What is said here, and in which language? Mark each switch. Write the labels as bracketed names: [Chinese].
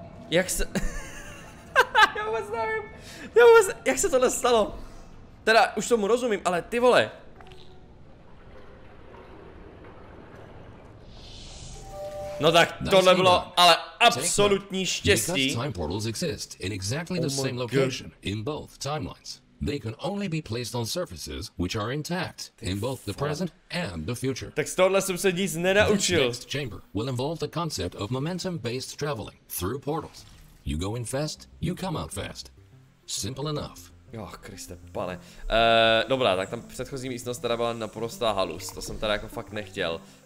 [Czech] Jak se... Já vůbec nevím. Jak se tohle stalo? Teda, už tomu rozumím, ale ty vole. No tak tohle bylo ale absolutní štěstí. [English] Because time portals exist in exactly the same location in both timelines. They can only be placed on surfaces which are intact in both the present and the future. [Czech] Tak z tohle jsem se nic nenaučil. [English] This next chamber will involve the concept of momentum-based traveling through portals. You go in fast, you come out fast. Simple enough. Oh, [Czech] Kriste, pane. Dobrá, tak tam předchozí místnost teda byla naprostá halus. To jsem teda jako fakt nechtěl.